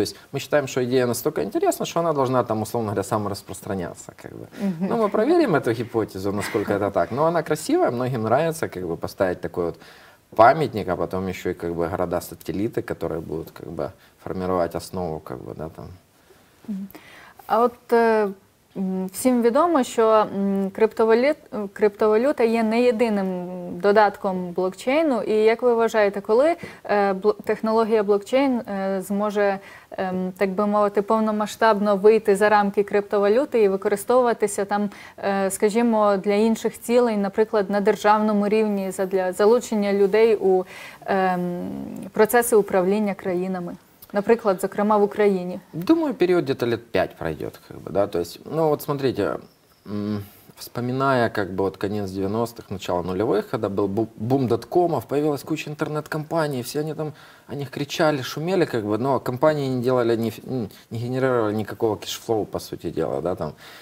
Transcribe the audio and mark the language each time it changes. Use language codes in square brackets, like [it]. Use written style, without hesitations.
[ru] То есть мы считаем, что идея настолько интересна, что она должна там, условно говоря, самораспространяться. Как бы. Ну, мы проверим эту гипотезу, насколько это так. Но она красивая, многим нравится, как бы, поставить такой вот памятник, а потом еще и как бы города-сателлиты, которые будут как бы формировать основу, как бы, да, там. [uk] А от всім відомо, що криптовалюта є не єдиним додатком блокчейну, і як ви вважаєте, коли технологія блокчейн зможе, так би мовити, повномасштабно вийти за рамки криптовалюти і використовуватися там, скажімо, для інших цілей, наприклад, на державному рівні, для залучення людей у процеси управління країнами? [ru] Например, [uk] зокрема, [ru] в Украине. Думаю, период где-то лет 5 пройдет, как бы, да, то есть, ну, вот смотрите, вспоминая, как бы, вот конец 90-х, начало нулевых, когда был бум доткомов, появилась куча интернет-компаний, все они там, о них кричали, шумели, как бы, но компании не делали, не генерировали никакого кэшфлоу, по сути дела, да, там.